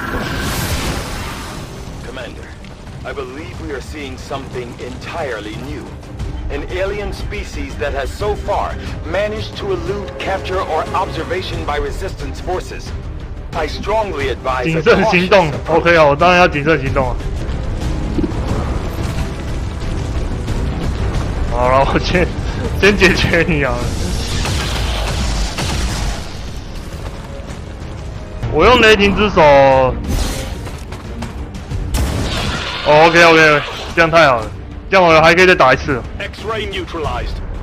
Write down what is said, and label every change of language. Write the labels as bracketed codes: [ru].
[zh] 啊，他被开采就死了。哦，干。Commander, [en] I believe we are seeing something entirely new. An alien species that has so far managed to elude capture or observation by resistance forces. I strongly advise. [zh] 谨慎行动 ，OK 啊，我当然要谨慎行动啊。好了，我先解决你啊！我用雷霆之手。OK OK， 这样太好了，这样我还可以再打一次。 [en] X-ray neutralized.